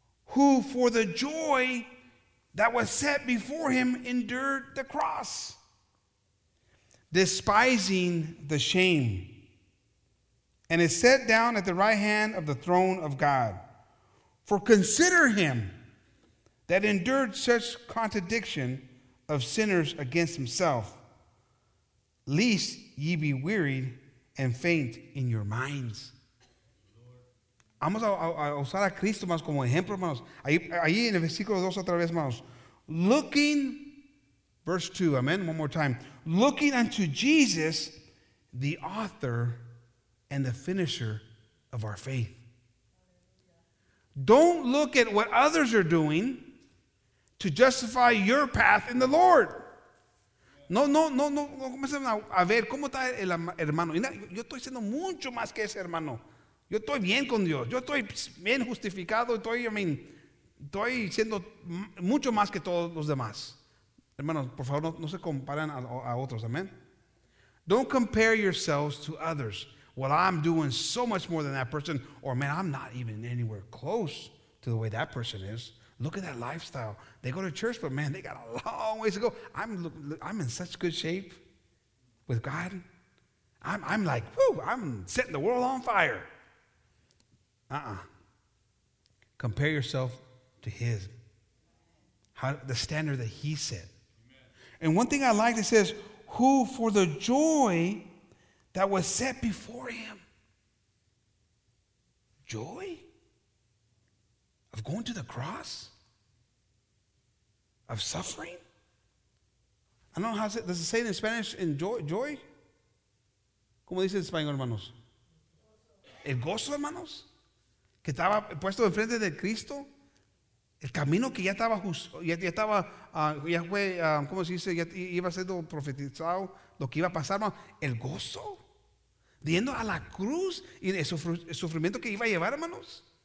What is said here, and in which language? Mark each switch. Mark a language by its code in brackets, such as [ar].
[en] Who for the joy that was set before him endured the cross, despising the shame, and is set down at the right hand of the throne of God. For consider him that endured such contradiction of sinners against himself, lest ye be wearied and faint in your minds. [es] Vamos a usar a Cristo más como ejemplo, hermanos. Ahí en el versículo 2 otra vez, hermanos. [en] Looking, verse 2, amen, one more time. Looking unto Jesus, the author and the finisher of our faith. Don't look at what others are doing to justify your path in the Lord. [es] No comencen a ver cómo está el hermano. Yo estoy siendo mucho más que ese hermano. Yo estoy bien con Dios. Yo estoy bien justificado. Estoy, [en] I mean, [es] estoy siendo mucho más que todos los demás. Hermanos, por favor, no se comparen a otros. [en] Amen. Don't compare yourselves to others. Well, I'm doing so much more than that person. Or, man, I'm not even anywhere close to the way that person is. Look at that lifestyle. They go to church, but, man, they got a long ways to go. I'm in such good shape with God. I'm like, whoo, I'm setting the world on fire. Uh-uh. Compare yourself to his. The standard that he set. And one thing I like, it says, who for the joy that was set before him. Joy of going to the cross? Of suffering? I don't know how to say, does it say it in Spanish, enjoy, joy? [es] ¿Cómo dice en español, hermanos? El gozo, hermanos, que estaba puesto enfrente de Cristo. El camino que ya iba siendo profetizado, lo que iba a pasar, hermano. El gozo, yendo a la cruz y el sufrimiento que iba a llevar, hermanos.